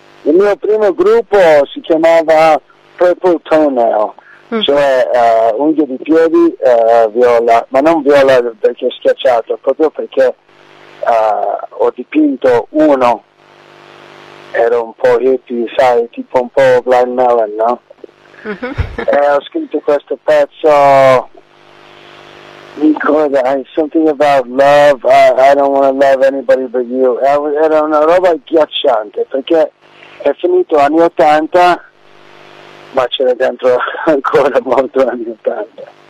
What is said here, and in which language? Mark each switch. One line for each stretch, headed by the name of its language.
Italian: Il mio primo gruppo si chiamava Purple Toenail, cioè unghie di piedi viola, ma non viola perché è schiacciato, proprio perché ho dipinto uno, era un po' hippie, sai, tipo un po' Blind Melon, no? E ho scritto questo pezzo, mi ricordo,
English: something about love, I don't want to love anybody but you.
Italian: Era una roba ghiacciante, perché è finito anni 80, ma c'era dentro ancora molto anni 80.